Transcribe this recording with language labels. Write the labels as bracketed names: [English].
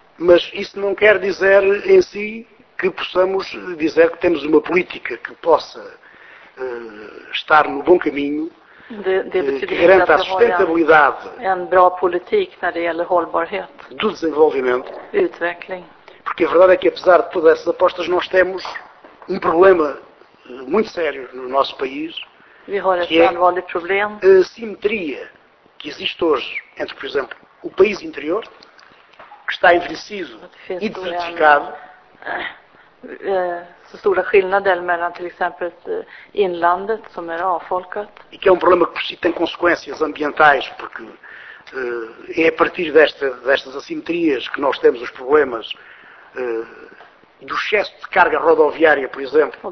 [Portuguese] Mas isso não quer dizer em si que possamos dizer que temos uma política que possa estar no bom caminho, que garanta a sustentabilidade [Swedish] en bra politik när det gäller hållbarhet, [Portuguese] do desenvolvimento. [Swedish] Utveckling. [Portuguese] Porque a verdade é que, apesar de todas essas apostas, nós temos um problema muito sério no nosso país, [Swedish] vi har ett allvarligt problem. [Portuguese] A assimetria que existe hoje entre, por exemplo, o país interior, que está envelhecido e desertificado. [Swedish] Så stora skillnader mellan till exempel inlandet som är avfolkat. [Portuguese] E que é um problema que por si tem consequências ambientais, porque é a partir destas assimetrias que nós temos os problemas do excesso de carga rodoviária, por exemplo,